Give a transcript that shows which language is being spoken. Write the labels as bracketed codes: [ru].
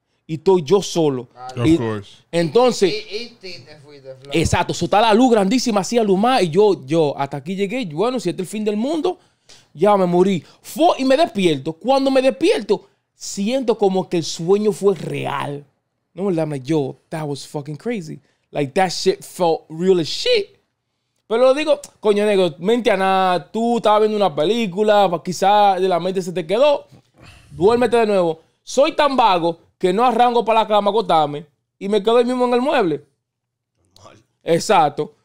[es] Y estoy yo solo. Claro. [en] Of course. [es] Entonces. Y te fui. Exacto, so, está la luz grandísima, así alumada. Y yo, hasta aquí llegué. Bueno, si este es el fin del mundo. Ya me morí. Y me despierto. Cuando me despierto, siento como que el sueño fue real. [en] No, I'm like, yo, that was fucking crazy. Like, that shit felt real as shit. [es] Pero lo digo, coño, negro, mente a nada. Tú estabas viendo una película, quizás de la mente se te quedó. Duérmete de nuevo. Soy tan vago que no arranco para la cama a acostarme y me quedo ahí mismo en el mueble. Exacto.